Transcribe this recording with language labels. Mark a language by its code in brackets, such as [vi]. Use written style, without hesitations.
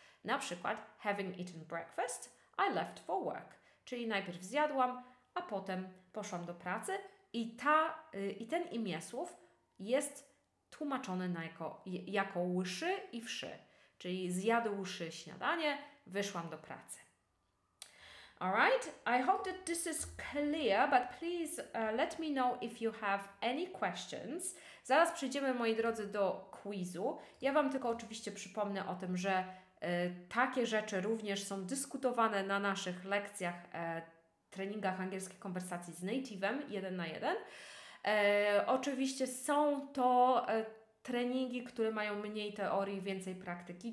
[pl] Na przykład [en] having eaten breakfast, I left for work. [pl] Czyli najpierw zjadłam, a potem poszłam do pracy. I ten imię słów jest tłumaczony jako łyszy i wszy. Czyli zjadłszy śniadanie, wyszłam do pracy. [en] Alright, I hope that this is clear, but please let me know if you have any questions. [pl] Zaraz przejdziemy, moi drodzy, do quizu. Ja Wam tylko oczywiście przypomnę o tym, że takie rzeczy również są dyskutowane na naszych lekcjach, treningach angielskich konwersacji z native'em, jeden na jeden. Oczywiście są to treningi, które mają mniej teorii, więcej praktyki.